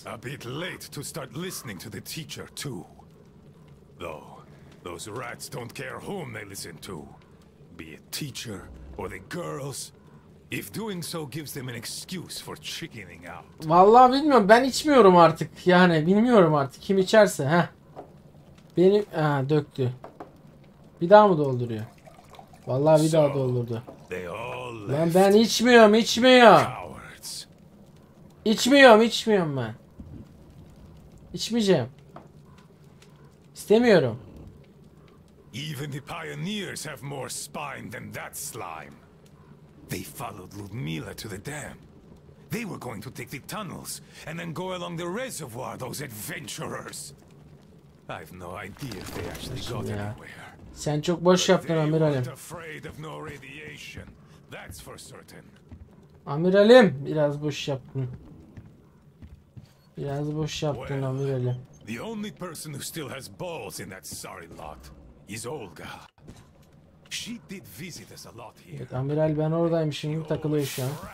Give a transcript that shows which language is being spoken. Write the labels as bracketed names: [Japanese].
[English] A bit late to start listening to the teacher too. Though, those rats don't care whom they listen to. Be it teacher or the girls. If doing so gives them an excuse for chickening out. [Turkish] Vallahi bilmiyorum. Ben içmiyorum artık. Yani bilmiyorum artık. Kim içerse, ha? Benim döktü. Bir daha mı dolduruyor? Vallahi bir daha doldurdu. [English] They all [Turkish] Lan ben içmiyorum, içmiyorum ben. İçmeyeceğim. İstemiyorum. [English] Even the pioneers have more spine than that slime. They followed Ludmilla to the dam. They were going to take the tunnels and then go along the reservoir, those adventurers. I've no idea if they actually got anywhere. [Turkish] Sen çok boş yaptın amiralim. [English] Afraid of no radiation. That's for certain. [Turkish] Amiralim, biraz boş yaptın. Biraz boş yaptın amiralim. [English] The only person who still has balls in that sorry lot is Olga. She did visit us a lot here. [Turkish] Evet, amiral ben oradaymışım, takılıyor şu an.